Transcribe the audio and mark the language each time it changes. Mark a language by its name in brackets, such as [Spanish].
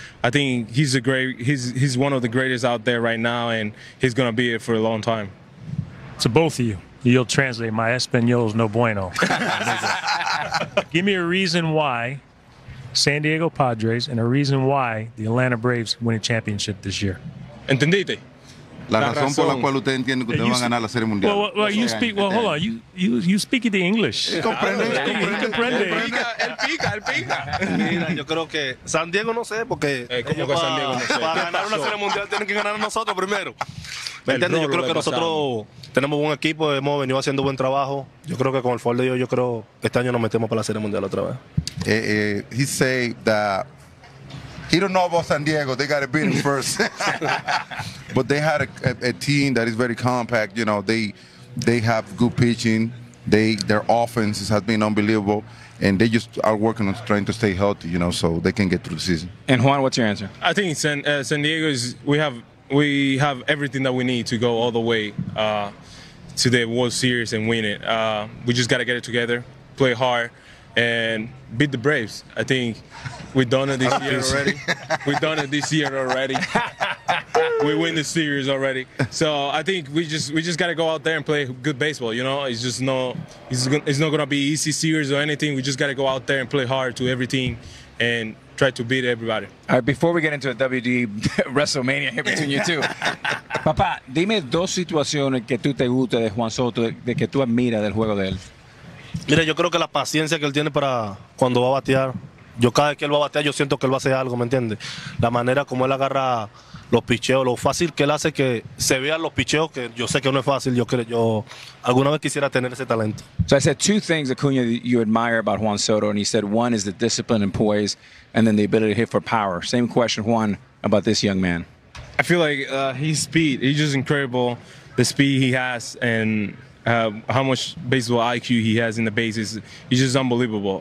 [English] I think he's one of the greatest out there right now, and he's going to be it for a long time. To both of you, you'll translate, my Espanol is no bueno. Give me a reason why San Diego Padres and a reason why the Atlanta Braves win a championship this year. [Spanish] ¿Entendiste? La razón por la cual usted entiende que ustedes van a ganar la Serie Mundial. [English] Well, you speak, well, hold on. You speak the English. [Spanish] Comprende. Comprende. El pica. Yo creo que San Diego no sé, porque ¿cómo que San Diego no sé? Para ganar una Serie Mundial tienen que ganar nosotros primero. ¿Me entiendes? Yo creo que nosotros tenemos buen equipo, hemos venido haciendo buen trabajo. Yo creo que con el favor de Dios, yo creo que este año nos metemos para la Serie Mundial otra vez. [English] He say that he don't know about San Diego. They got to beat him first. But they had a team that is very compact. You know, they have good pitching. Their offense has been unbelievable. And they just are working on trying to stay healthy, you know, so they can get through the season. And Juan, what's your answer? I think San Diego is we have everything that we need to go all the way to the World Series and win it. We just got to get it together, play hard, and beat the Braves. I think we've done it this year already. We win the series already. So I think we just got to go out there and play good baseball, you know? It's not going to be easy series or anything. We just got to go out there and play hard to every team and try to beat everybody. All right, before we get into a WD WrestleMania here between you two. [Spanish] Papá, dime dos situaciones que tú te gustas de Juan Soto, de que tú admiras del juego de él. Mira, yo creo que la paciencia que él tiene para cuando va a batear. Yo cada vez que él va a batear, yo siento que él va a hacer algo, ¿me entiendes? La manera como él agarra los picheos, lo fácil que él hace que se vean los picheos, que yo sé que no es fácil. Yo alguna vez quisiera tener ese talento. [English] So I said two things, Acuña, that you admire about Juan Soto, and he said one is the discipline and poise, and then the ability to hit for power. Same question, Juan, about this young man. I feel like his speed, he's just incredible, the speed he has, and how much baseball IQ he has in the bases. He's just unbelievable.